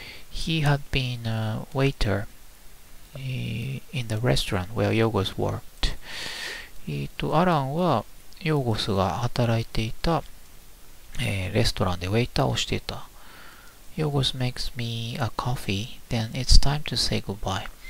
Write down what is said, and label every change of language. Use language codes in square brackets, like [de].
[en] He had been a waiter in the restaurant where Yogos worked. [ja] アランはヨーゴスが働いていた、レストランでウェイターをしていた。 [en] Yogos makes me a coffee, then it's time to say goodbye.